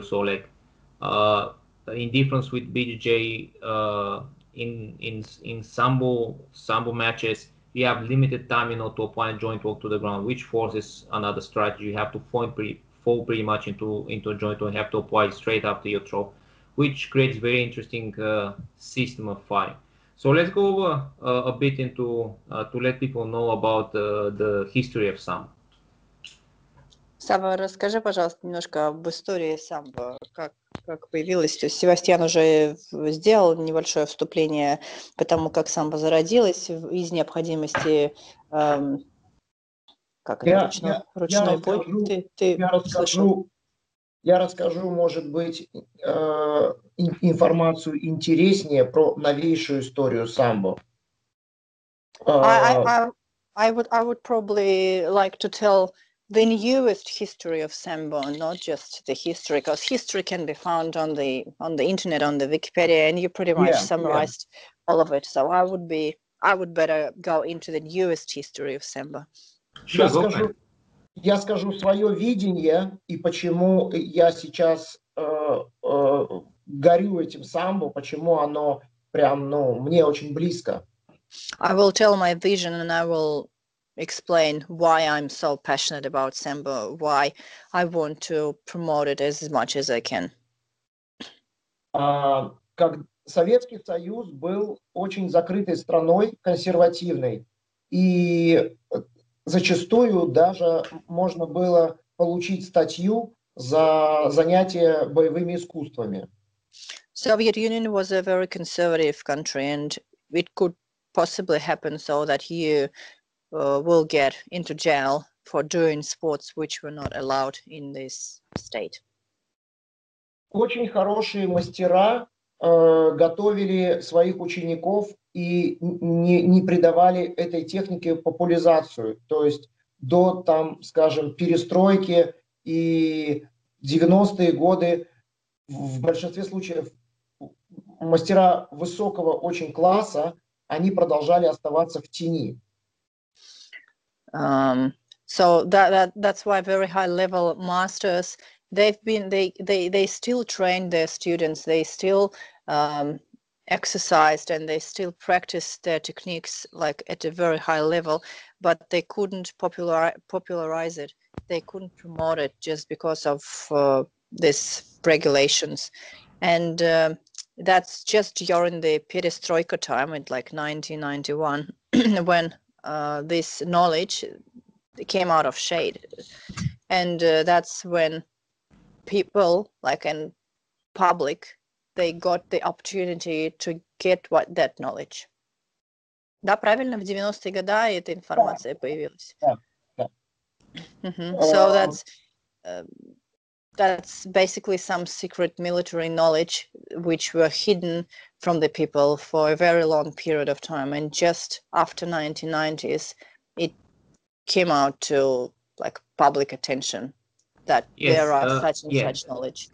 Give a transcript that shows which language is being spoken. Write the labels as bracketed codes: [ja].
[en] So like in difference with BJJ, in Sambo matches, you have limited time, you know, to apply a joint work to the ground, which forces another strategy. You have to fall pretty much into a joint work. You have to apply straight after your throw, which creates very interesting system of fight. So let's go over a bit into to let people know about the history of Sambo. [ru] Сава, расскажи, пожалуйста, немножко об истории самбо, как появилось. Севастьян уже сделал небольшое вступление по тому, как самбо зародилось из необходимости ручной бой. Я расскажу, может быть, информацию интереснее про новейшую историю самбо. [en] I would probably like to tell the newest history of Sambo, not just the history, because history can be found on the internet, on the Wikipedia, and you pretty much summarized all of it. So I would better go into the newest history of Sambo. [ru] Sure, я скажу свое видение и почему я сейчас горю этим самбо, почему оно прям, ну, мне очень близко. [en] I will tell my vision and I will explain why I'm so passionate about Sambo, why I want to promote it as much as I can. [ru] Как Советский Союз был очень закрытой страной, консервативной, и зачастую даже можно было получить статью за занятие боевыми искусствами. [en] Soviet Union was a very conservative country, and it could possibly happen so that you will get into jail for doing sports which were not allowed in this state. [ru] Очень хорошие мастера готовили своих учеников и не придавали этой технике популяризацию, то есть до там, скажем, перестройки и 90-е годы в большинстве случаев мастера высокого очень класса, они продолжали оставаться в тени. [en] So that's why very high level masters, they still trained their students, they still exercised and they still practiced their techniques like at a very high level, but they couldn't popularize it, they couldn't promote it just because of this regulations. And that's just during the perestroika time in like 1991, when this knowledge came out of shade. And that's when people, like in public, they got the opportunity to get what that knowledge. [ru] Да, правильно, в 90-е годы эта информация появилась. Mm-hmm. [en] So that's basically some secret military knowledge which were hidden from the people for a very long period of time, and just after 1990s it came out to like public attention that there are such and such knowledge.